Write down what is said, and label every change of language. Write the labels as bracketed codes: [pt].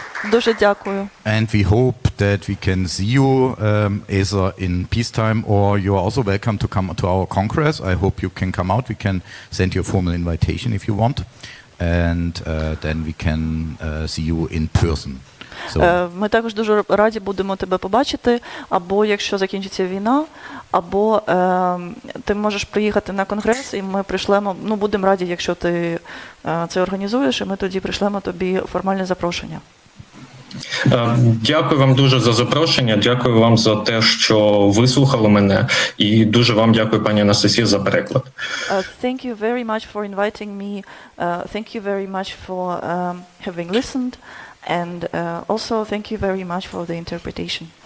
[uk] Дуже дякую. [en] And we hope that we can see you either in peacetime, or you are also welcome to come to our congress. I hope you can come out. We can send you a formal invitation if you want. And then we can see you in person. So. [uk] Ми також дуже раді будемо тебе побачити, або якщо закінчиться війна, або ти можеш приїхати на конгрес, і ми прийшлемо, ну, будемо раді, якщо ти це організуєш, і ми тоді прийшлемо тобі формальне запрошення. Дякую вам дуже за запрошення, дякую вам за те, що вислухали мене, і дуже вам дякую, пані Анастасія, за переклад. [en] Thank you very much for inviting me. Thank you very much for having listened. And also thank you very much for the interpretation.